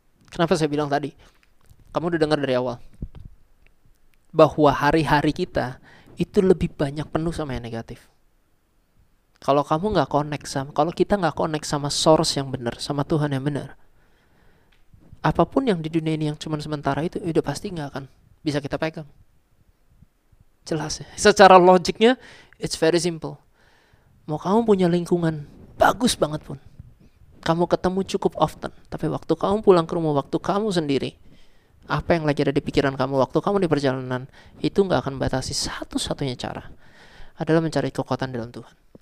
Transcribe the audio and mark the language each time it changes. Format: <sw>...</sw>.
<id>Kenapa saya bilang tadi? Kamu udah dengar dari awal bahwa hari-hari kita itu lebih banyak penuh sama yang negatif. Kalau kamu gak connect sama, kalau kita gak connect sama source yang benar, sama Tuhan yang benar, apapun yang di dunia ini yang cuma sementara itu, udah pasti gak akan bisa kita pegang. Jelas ya. Secara logiknya,</id> <en>it's very simple.</en> <id>Mau kamu punya lingkungan bagus banget pun, kamu ketemu cukup often, tapi waktu kamu pulang ke rumah, waktu kamu sendiri, apa yang lagi ada di pikiran kamu, waktu kamu di perjalanan, itu gak akan batasi satu-satunya cara, adalah mencari kekuatan dalam Tuhan.</id>